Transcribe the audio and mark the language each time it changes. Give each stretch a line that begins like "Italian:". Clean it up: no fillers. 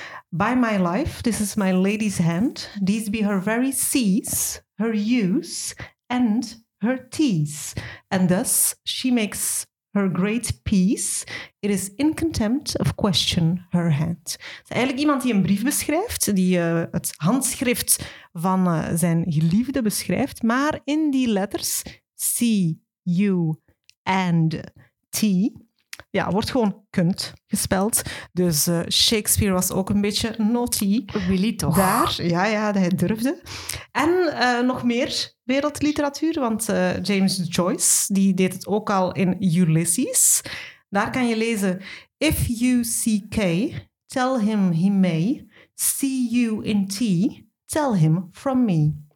English: By my life, this is my lady's hand. These be her very seas, her hues, and her teas. And thus she makes her great peace. It is in contempt of question her hand.
Dutch: Het is eigenlijk iemand die een brief beschrijft, die het handschrift van zijn geliefde beschrijft. Maar in die letters, C, U and T... Ja, wordt gewoon kunt gespeld. Dus Shakespeare was ook een beetje naughty. Willy toch? Daar, ja, hij durfde. En nog meer wereldliteratuur, want James Joyce, die deed het ook al in Ulysses. Daar kan je lezen,
English: if you seek, tell him he may, see you in tea, tell him from me.